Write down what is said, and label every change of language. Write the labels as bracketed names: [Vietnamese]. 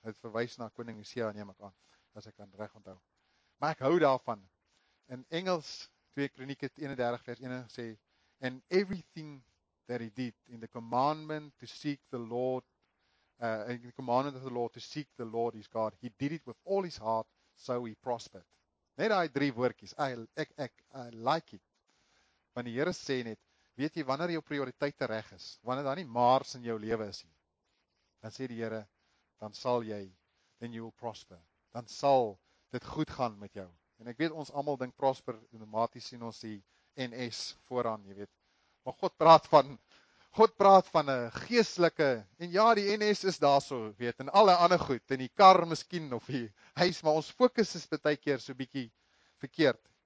[Afrikaans] Dit verwys na koning Hosea, neem ek aan, as ek kan reg onthou. Maar ek hou daarvan. In Engels 2 Kronieke 31 vers 1 sê: [English] "And everything that he did in the commandment to seek the Lord, in the commandment of the Lord to seek the Lord his God, he did it with all his heart, so he prospered." [Afrikaans] Net daai drie woordjies. [English] I like it. [Afrikaans] Want die Here sê net, weet jy wanneer jou prioriteite reg is, wanneer daar nie maars in jou lewe is nie, dan sê die Here, dan sal jy, [English] then you will prosper. [Afrikaans] Dan sal dit goed gaan met jou. En ek weet ons almal dink prosper outomaties sien ons die NS vooraan, jy weet. Maar God praat van 'n geestelike, en ja, die NS is daarso, weet, en alle ander goed, en die kar miskien of die huis, maar ons fokus is baie keer so bietjie verkeerd.